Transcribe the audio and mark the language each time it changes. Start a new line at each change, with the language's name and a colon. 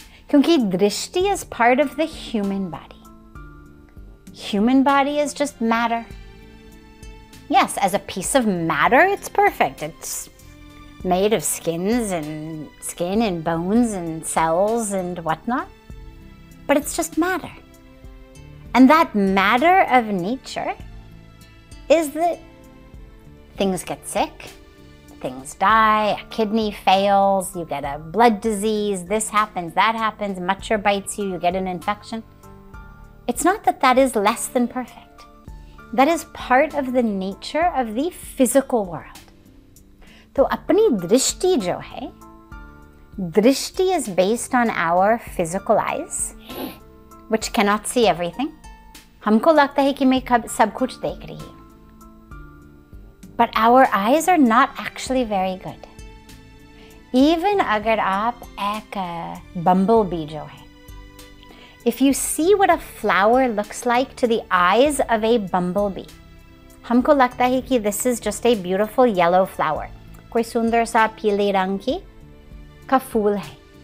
English: क्योंकि दृष्टि is part of the human body, human body is just matter. Yes, as a piece of matter it's perfect, it's made of skins and skin and bones and cells and what not, but it's just matter. And that matter of nature is that things get sick, things die, a kidney fails, you get a blood disease, this happens, that happens, mutcher bites you, you get an infection. It's not that that is less than perfect. That is part of the nature of the physical world. So,
Hindi: apni drishti jo hai,
English: drishti is based on our physical eyes, which cannot see everything.
Hindi: हमको लगता है कि मैं सब कुछ देख रही हूँ,
English: But our eyes are not actually very good. Even
Hindi: अगर आप एक
English: bumblebee
Hindi: जो है,
English: if you see what a flower looks like to the eyes of a bumblebee,
Hindi: हमको लगता है कि
English: this is just a beautiful yellow flower,
Hindi: कोई सुंदर सा पीले रंग की का फूल है।